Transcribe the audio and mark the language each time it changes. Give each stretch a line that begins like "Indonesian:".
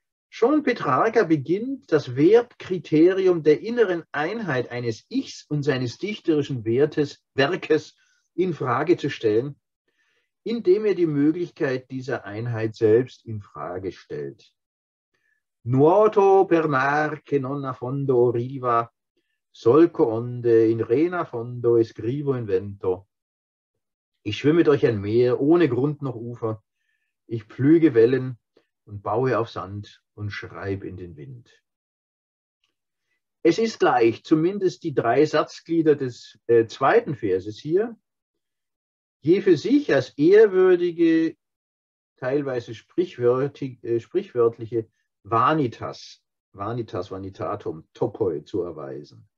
German: Schon Petrarca beginnt das Wertkriterium der inneren Einheit eines Ichs und seines dichterischen Werkes in Frage zu stellen, indem er die Möglichkeit dieser Einheit selbst in Frage stellt.
Italian: Nuoto per mar che non affondo riva, solco onde in rena fondo e scrivo in vento.
German: Ich schwimme durch ein Meer ohne Grund noch Ufer, ich pflüge Wellen und baue auf Sand und schreibe in den Wind. Es ist leicht, zumindest die drei Satzglieder des zweiten Verses hier, je für sich als ehrwürdige, teilweise sprichwörtliche Vanitatum, Topoi zu erweisen.